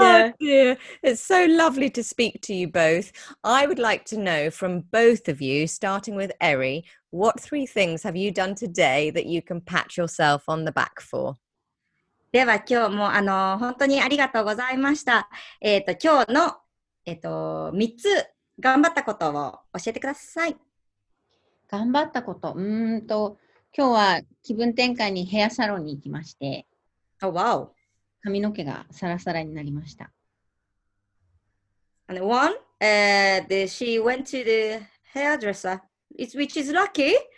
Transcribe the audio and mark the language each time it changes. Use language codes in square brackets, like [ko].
[en] Oh dear, it's so lovely to speak to you both. I would like to know from both of you, starting with Eri, what three things have you done today that you can pat yourself on the back for? [ja] では今日もあの本当にありがとうございました。今日の3つ頑張ったことを教えてください。頑張ったこと、今日は気分転換にヘアサロンに行きまして。 [en] Oh, wow. [ja] 髪の毛がサラサラになりました。 [en] And one, she went to the hairdresser, which is lucky.